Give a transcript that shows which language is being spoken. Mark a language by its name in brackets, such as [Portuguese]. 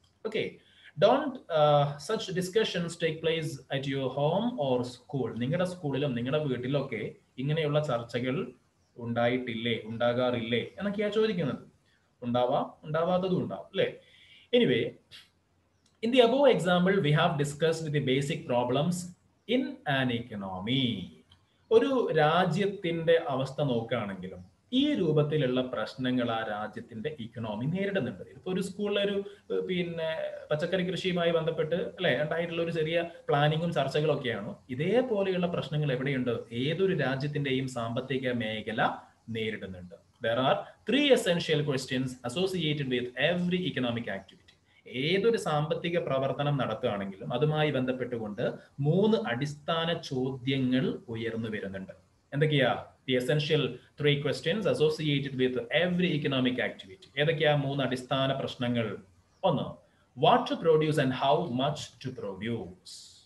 [English] Okay, don't such discussions take place at your home or school. [Malayalam] നിങ്ങളുടെ സ്കൂളിലും നിങ്ങളുടെ വീട്ടിലൊക്കെ ഇങ്ങനെയുള്ള ചർച്ചകൾ ഉണ്ടായിട്ടില്ലേ, ഉണ്ടാകാറില്ലേ എന്നൊക്കെയാണ് ചോദിക്കുന്നത്. ഉണ്ടാവാം, ഉണ്ടാവാത്തതും ഉണ്ടാവും അല്ലേ. Anyway, [English] In the above example, we have discussed the basic problems in an economy. [Malayalam] ഒരു രാജ്യത്തിന്റെ അവസ്ഥ നോക്കുകയാണെങ്കിലും ഈ രൂപത്തിലുള്ള പ്രശ്നങ്ങൾ ആ രാജ്യത്തിന്റെ ഇക്കണോമി നേരിടുന്നുണ്ട്. ഇപ്പോൾ ഒരു സ്കൂളിലൊരു പിന്നെ പച്ചക്കറി കൃഷിയുമായി ബന്ധപ്പെട്ട് അല്ലെ ഉണ്ടായിട്ടുള്ള ഒരു ചെറിയ പ്ലാനിങ്ങും ചർച്ചകളും ഒക്കെയാണോ, ഇതേപോലെയുള്ള പ്രശ്നങ്ങൾ എവിടെയുണ്ട്, ഏതൊരു രാജ്യത്തിന്റെയും സാമ്പത്തിക മേഖല നേരിടുന്നുണ്ട്. [English] There are three essential questions associated with every economic activity. [Malayalam] ഏതൊരു സാമ്പത്തിക പ്രവർത്തനം നടത്തുകയാണെങ്കിലും അതുമായി ബന്ധപ്പെട്ടുകൊണ്ട് മൂന്ന് അടിസ്ഥാന ചോദ്യങ്ങൾ ഉയർന്നു വരുന്നുണ്ട്. എന്തൊക്കെയാ [English] The essential three questions associated with every economic activity? [Malayalam] ഏതൊക്കെയാ മൂന്ന് അടിസ്ഥാന പ്രശ്നങ്ങൾ? ഒന്ന്, [English] What to produce and how much to produce.